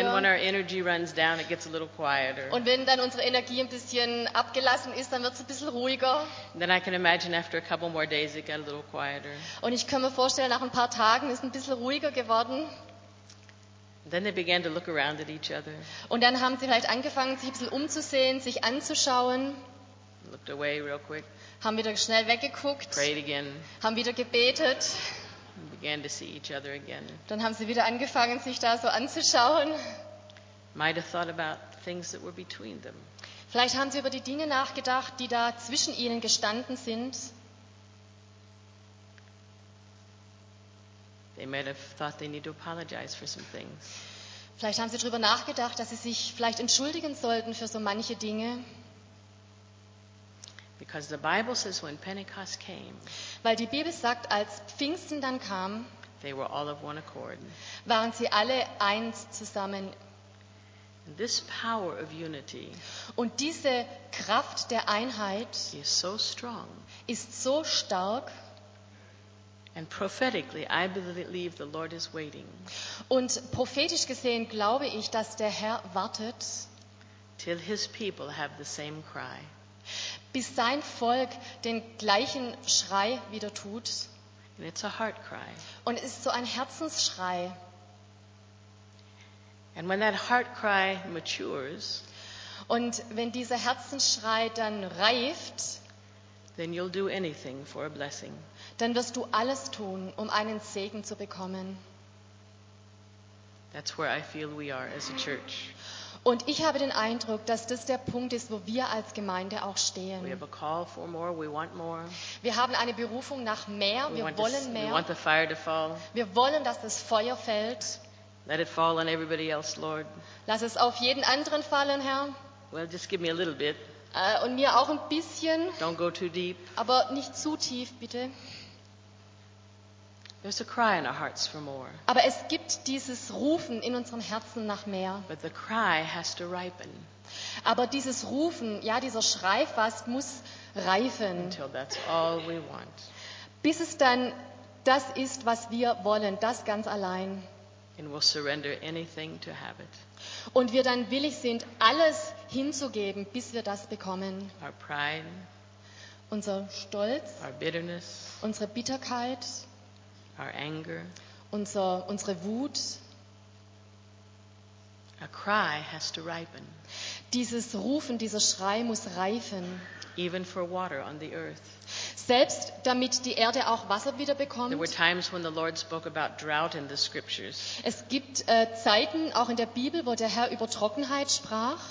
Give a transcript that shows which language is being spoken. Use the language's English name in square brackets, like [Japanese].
[English] Then when our energy runs down, it gets a little quieter. [German] Und wenn dann unsere Energie ein bisschen abgelassen ist, dann wird es ein bisschen ruhiger. [English] Then I can imagine after a couple more days, it got a little quieter. [German] Und ich kann mir vorstellen, nach ein paar Tagen ist es ein bisschen ruhiger geworden. [English] Then they began to look around at each other. [German] Und dann haben sie vielleicht angefangen, sich ein bisschen umzusehen, sich anzuschauen. [English] Looked away real quick. [German] Haben wieder schnell weggeguckt. [English] Prayed again. [German] Haben wieder gebetet. [English] Began to see each other again. [German] Dann haben sie wieder angefangen, sich da so anzuschauen. [English] Might have thought about things that were between them. [German] Vielleicht haben sie über die Dinge nachgedacht, die da zwischen ihnen gestanden sind. [English] They might have thought they need to apologize for some things. [German] Vielleicht haben sie darüber nachgedacht, dass sie sich vielleicht entschuldigen sollten für so manche Dinge. [English] Because the Bible says when Pentecost came, [German] weil die Bibel sagt, als Pfingsten dann kam, [English] they were all of one accord. [German] Waren sie alle eins zusammen. [English] And this power of unity, [German] und diese Kraft der Einheit, [English] is so strong, [German] ist so stark. [English] And prophetically, I believe the Lord is waiting. [German] Und prophetisch gesehen glaube ich, dass der Herr wartet, [English] till his people have the same cry. [German] Bis sein Volk den gleichen Schrei wieder tut. [English] And it's a heart cry. [German] Und es ist so ein Herzensschrei. [English] And when that heart cry matures, [German] und wenn dieser Herzensschrei dann reift, [English] then you'll do anything for a blessing. [German] Dann wirst du alles tun, um einen Segen zu bekommen. [English] That's where I feel we are as a church. [German] Und ich habe den Eindruck, dass das der Punkt ist, wo wir als Gemeinde auch stehen. [English] We have a call for more, we want more. [German] Wir haben eine Berufung nach mehr, wir wollen mehr. [English] We want the fire to fall. [German] Wir wollen, dass das Feuer fällt. [English] Let it fall on everybody else, Lord. [German] Lass es auf jeden anderen fallen, Herr. [English] Well, just give me a little bit. [German] Und mir auch ein bisschen. [English] Don't go too deep. [German] Aber nicht zu tief, bitte. [English] There's a cry in our hearts for more. [German] Aber es gibt dieses Rufen in unserem Herzen nach mehr. [English] But the cry has to ripen. [German] Aber dieses Rufen, ja, dieser Schrei fast, muss reifen. [English] Until that's all we want. [German] Bis es dann das ist, was wir wollen, das ganz allein. [English] And we'll surrender anything to have it. [German] Und wir dann willig sind, alles hinzugeben, bis wir das bekommen. [English] Our pride, [German] unser Stolz, [English] our bitterness, [German] unsere Bitterkeit, [English] our anger, [German] unsere Wut. [English] A cry has to ripen. [German] Dieses Rufen, dieser Schrei muss reifen. [English] Even for water on the earth. [German] Selbst damit die Erde auch Wasser wieder bekommt. [English] There were times when the Lord spoke about drought in the scriptures. [German] Es gibt Zeiten auch in der Bibel, wo der Herr über Trockenheit sprach.